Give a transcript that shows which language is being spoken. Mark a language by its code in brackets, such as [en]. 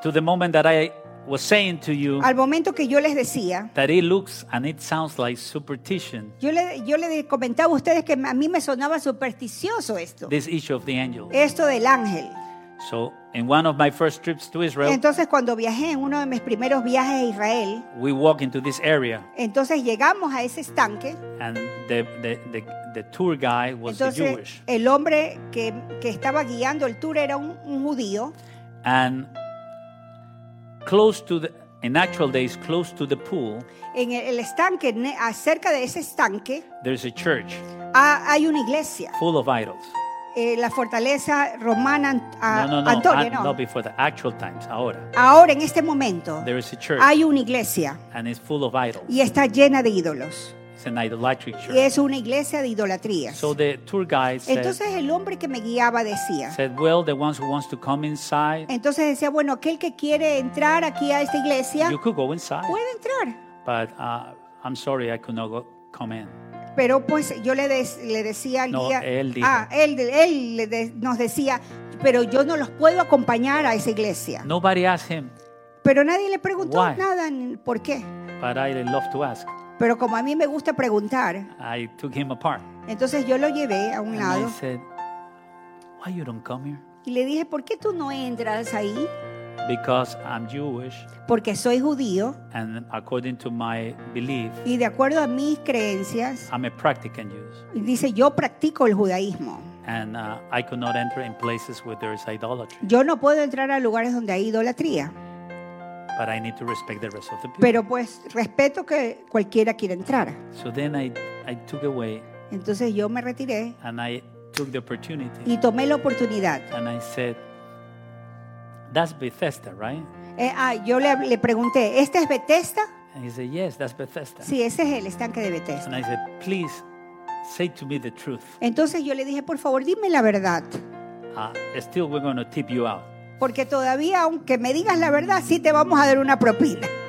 [en] To the moment that I was saying to you, [es] al momento que yo les decía, [en] that it looks and it sounds like superstition. [es] Yo le comentaba a ustedes que a mí me sonaba supersticioso esto. [en] This issue of the angel. [es] Esto del ángel. [en] So, in one of my first trips to Israel. [es] Entonces, cuando viajé en uno de mis primeros viajes a Israel. [en] We walk into this area. [es] Entonces llegamos a ese estanque. [en] And the tour guide was [es] entonces, [en] the Jewish. [es] El hombre que estaba guiando el tour era un judío. [en] And close to the, in actual days, close to the pool. [es] En el estanque, cerca de ese estanque. [en] There's a church. [es] Hay una iglesia. [en] Full of idols. [es] La fortaleza romana. [en] No. [es] Antonio, [en] not before the actual times. Ahora. [es] Ahora, en este momento. [en] There is a church. [es] Hay una iglesia. [en] And it's full of idols. [es] Y está llena de ídolos. [en] It's an idolatric church. [es] Y es una iglesia de idolatría. [en] So the tour guide said. [es] Entonces el hombre que me guiaba decía. [en] Said, well, the ones who wants to come inside. [es] Entonces decía, bueno, aquel que quiere entrar aquí a esta iglesia. [en] You could go inside. [es] Puede entrar. [en] But I'm sorry, I could not come in. [es] Pero pues yo le decía al guía. No, él dijo. Nos decía, pero yo no los puedo acompañar a esa iglesia. [en] Nobody asked him. [es] Pero nadie le preguntó [en] why? [es] Nada, ¿por qué? [en] But I love to ask. [es] Pero como a mí me gusta preguntar, [en] I took him apart. [es] Entonces yo lo llevé a un [en] and [es] lado. [en] I said, why you don't come here? [es] Y le dije, ¿por qué tú no entras ahí? [en] Because I'm Jewish. [es] Porque soy judío. [en] And according to my belief. [es] Y de acuerdo a mis creencias. [en] I'm a practicing Jew. [es] Dice, yo practico el judaísmo. [en] And I could not enter in places where there is idolatry. [es] Yo no puedo entrar a lugares donde hay idolatría. [en] But I need to respect the rest of the people. [es] Pero pues respeto que cualquiera quiera entrar. [en] So then I took away. [es] Entonces yo me retiré. [en] And I took the opportunity. [es] Y tomé la oportunidad. [en] And I said, that's Bethesda, right? [es] Yo le pregunté, ¿este es Bethesda? [en] And he said, yes, that's Bethesda. [es] Sí, ese es el estanque de Bethesda. [en] And I said, please say to me the truth. [es] Entonces yo le dije, por favor, dime la verdad. [en] Still we're going to tip you out. [es] Porque todavía, aunque me digas la verdad, sí te vamos a dar una propina.